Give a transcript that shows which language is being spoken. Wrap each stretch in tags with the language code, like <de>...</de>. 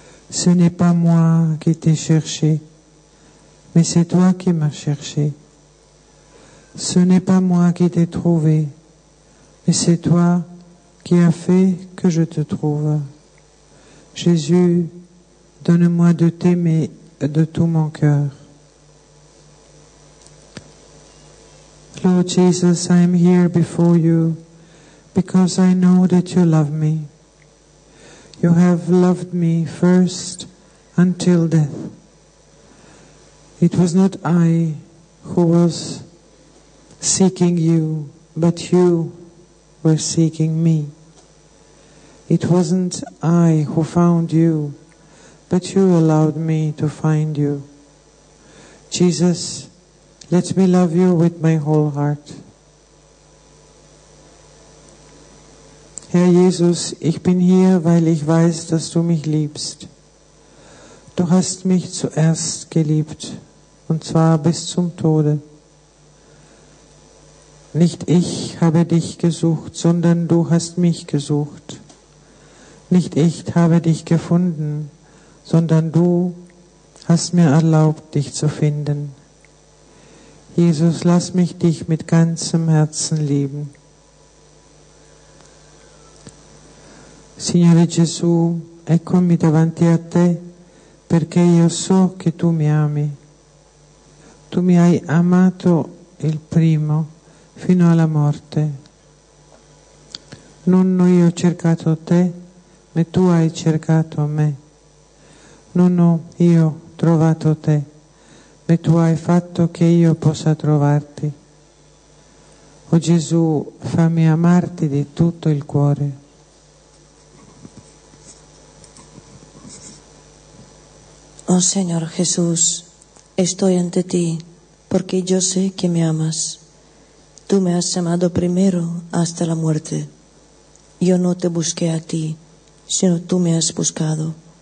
<fr>Ce n'est pas moi qui t'ai cherché, mais c'est toi qui m'as cherché. Ce n'est pas moi qui t'ai trouvé, mais c'est toi qui as fait que je te trouve. Jésus, donne-moi de t'aimer de tout mon cœur.</fr> <en>Lord Jesus, I am here before you because I know that you love me. You have loved me first until death. It was not I who was seeking you, but you were seeking me. It wasn't I who found you, but you allowed me to find you. Jesus, let me love you with my whole heart.</en> <de>Herr Jesus, ich bin hier, weil ich weiß, dass du mich liebst. Du hast mich zuerst geliebt, und zwar bis zum Tode. Nicht ich habe dich gesucht, sondern du hast mich gesucht. Nicht ich habe dich gefunden, sondern du hast mir erlaubt, dich zu finden. Jesus, lass mich dich mit ganzem Herzen lieben.</de> <it>Signore Gesù, eccomi davanti a te, perché io so che tu mi ami. Tu mi hai amato il primo, fino alla morte. Nonno, io ho cercato te, ma tu hai cercato me. Nonno, io ho trovato te, ma tu hai fatto che io possa trovarti. O Gesù, fammi amarti di tutto il cuore.</it> <es>Oh Señor Jesús, estoy ante ti porque yo sé que me amas. Tú me has amado primero hasta la muerte. Yo no te busqué a ti, sino tú me has buscado.</es>